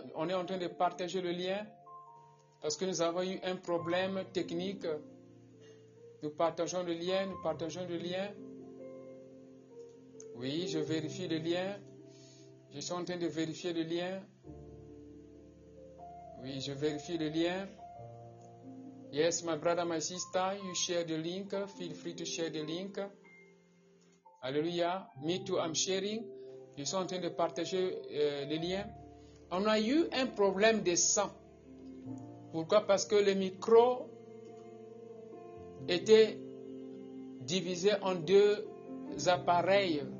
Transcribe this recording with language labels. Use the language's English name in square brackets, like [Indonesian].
[French] On est en train de partager le lien parce que nous avons eu un problème technique. Nous partageons le lien, nous partageons le lien. Oui, je vérifie le lien. Je suis en train de vérifier le lien. Oui, je vérifie le lien. [English] Yes, my brother, my sister, you share the link. Feel free to share the link. Alléluia. Me too, I'm sharing. [French] Je suis en train de partager le lien. On a eu un problème de son. Pourquoi? Parce que le micro était divisé en 2 appareils.